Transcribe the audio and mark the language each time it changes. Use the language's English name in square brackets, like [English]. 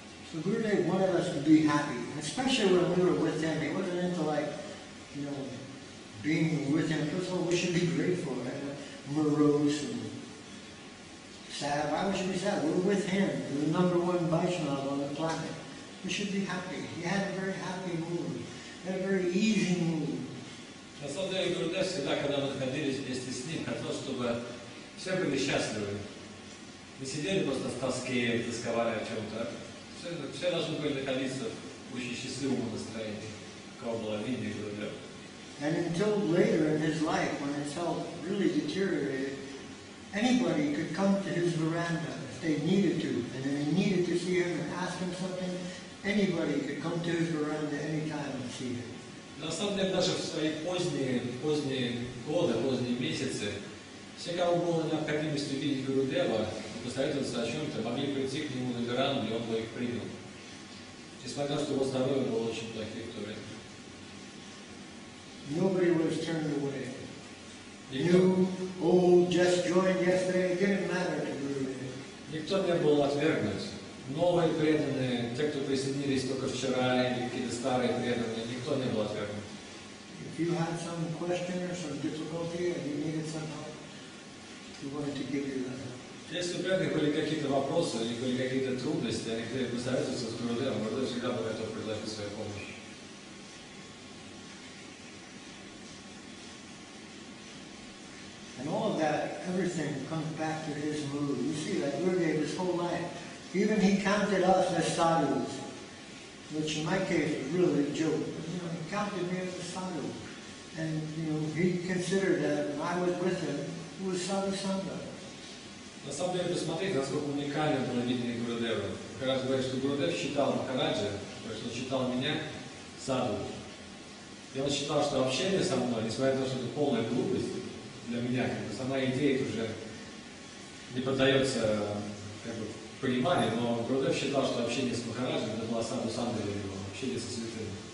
[English] So Gurudev wanted us to be happy, especially when we were with him. He wasn't into like, you know, being with him. First of all, we should be grateful, right? Morose and sad. Why would you be sad? We're with him, the number one Vaishnava on the planet. We should be happy. He had a very happy mood. He had a very easy mood. [Russian] На самом деле, Гурудев всегда, когда мы находились вместе с ним, хотел, чтобы все были счастливы. Не сидели просто в тоске, тосковали о чем-то. Все должны были находиться в очень счастливом настроении, какого было видно Гурудев. [English] And until later in his life, when his health really deteriorated, anybody could come to his veranda if they needed to, and if they needed to see him and ask him something, anybody could come to his veranda anytime and see him. [Russian] На самом деле, даже в свои поздние годы, поздние месяцы, все, кого было необходимость увидеть Гурудева и посоветоваться о чем-то, могли прийти к нему на веранду, и он бы их принял. Несмотря на то, что его здоровье было очень плохим в то время. [English] Nobody was turned away. New, old, just joined yesterday, it didn't matter to Gurudev. [Russian] Никто не был отвергнут. Новые преданные, те, кто присоединились только вчера, или какие-то старые преданные, никто не был отвергнут. [English] If you had some question or some difficulty and you needed some help, we wanted to give you that help. [Russian] Если у преданных были какие-то вопросы или были какие-то трудности, они хотели бы советоваться с Гурудевом, Гурудев всегда был готов предложить свою помощь. [English] And all of that, everything comes back to his mood. You see that Gurudev his whole life. Even he counted us as sadhus, which in my case was really a joke. But, you know, he counted me as a sadhu. And you know, he considered that when I was with him, he was sadhu sangha. [Russian] На самом деле, посмотрите, насколько уникально было видение Гурудева. Как раз говорит, что Гурудев считал Махараджа, то есть он считал меня садху. И он считал, что общение со мной, несмотря на то, что это полная глупость для меня, как бы сама идея уже не поддается как бы понимание, но Гурудев считал, что общение с Махараджем это была саду санда для него, общение со святым.